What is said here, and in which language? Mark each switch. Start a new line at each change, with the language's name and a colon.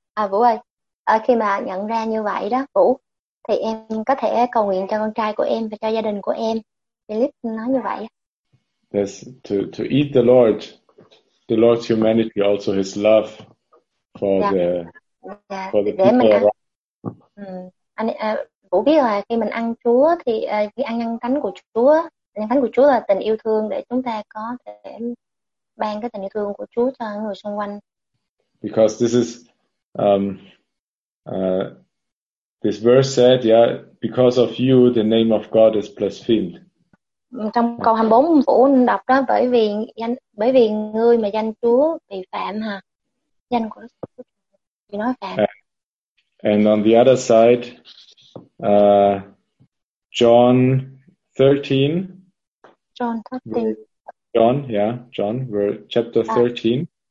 Vietnamese: Vũ ơi, khi mà nhận ra như vậy đó, Vũ, thì em có thể cầu nguyện cho con trai của em và cho gia đình của em. Philip nói như vậy.
English: Yes, to eat the Lord's humanity, also His love for the people around.
Vietnamese: Vũ biết là khi mình ăn Chúa thì ăn nhân thánh của Chúa là tình yêu thương, để chúng ta có thể ban cái tình yêu thương của Chúa cho người xung quanh.
English: Because this is this verse said, because of you the name of God is blasphemed.
Vietnamese: trong câu 24 phủ đọc đó, bởi vì danh, bởi vì ngươi mà danh Chúa bị phạm hả? Danh của bị nói phạm.
English: And on the other side, John chapter 13.